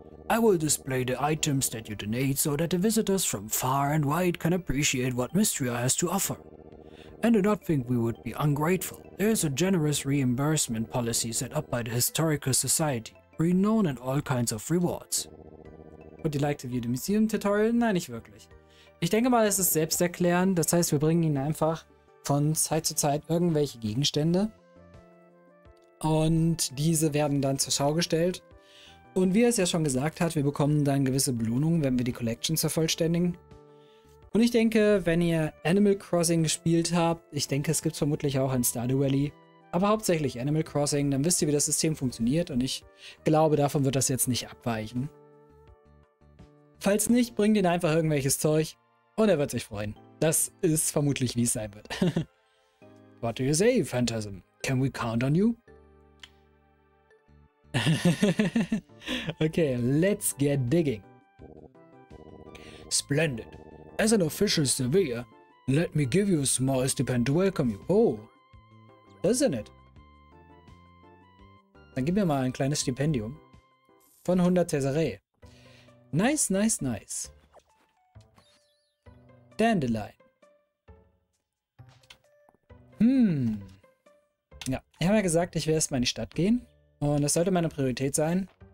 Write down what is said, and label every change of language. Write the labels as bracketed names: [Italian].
[English] I will display the items that you donate so that the visitors from far and wide can appreciate what Mystria has to offer. And do not think we would be ungrateful. There is a generous reimbursement policy set up by the Historical Society, renowned in all kinds of rewards. Would you like to view the museum tutorial? [German] Nein, nicht wirklich. Ich denke mal, es ist selbsterklärend. Das heißt, wir bringen ihnen einfach von Zeit zu Zeit irgendwelche Gegenstände. Und diese werden dann zur Schau gestellt. Und wie er es ja schon gesagt hat, wir bekommen dann gewisse Belohnungen, wenn wir die Collection vervollständigen. Und ich denke, wenn ihr Animal Crossing gespielt habt, ich denke, es gibt vermutlich auch ein Stardew Valley, aber hauptsächlich Animal Crossing, dann wisst ihr, wie das System funktioniert und ich glaube, davon wird das jetzt nicht abweichen. Falls nicht, bringt ihn einfach irgendwelches Zeug und er wird sich freuen. Das ist vermutlich, wie es sein wird. [English] What do you say, Phantasm? Can we count on you? Okay, let's get digging. Splendid. As an official surveyor, let me give you a small stipend to welcome you. Oh, isn't it? [German] Dann gib mir mal ein kleines Stipendium von 100 Tesserae. [English] Nice, nice, nice. Dandelion. [German] Ja, ich habe ja gesagt, ich werde erstmal in die Stadt gehen. Und das sollte meine Priorität sein.